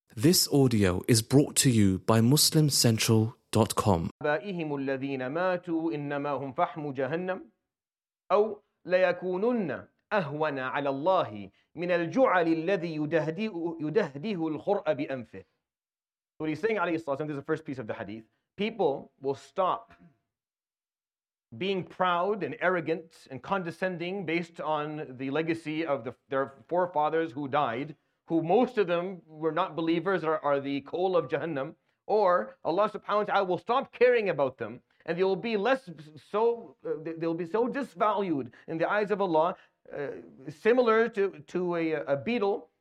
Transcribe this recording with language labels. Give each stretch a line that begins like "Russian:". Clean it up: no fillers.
English: This audio is brought to you by MuslimCentral.com.
Arabic: أبائهم الذين ماتوا إنما هم فحم جهنم أو ليكونن أهون على الله من الجعل الذي يدهده الخرأ بأنفه.
English: So what he's saying,
Arabic: عليه الصلاة والسلام,
English: this is the first piece of the hadith. People will stop being proud and arrogant and condescending based on the legacy of their forefathers who died, who most of them were not believers, are the coal of Jahannam, or Allah subhanahu wa ta'ala will stop caring about them, and they will be so disvalued in the eyes of Allah, similar to a beetle.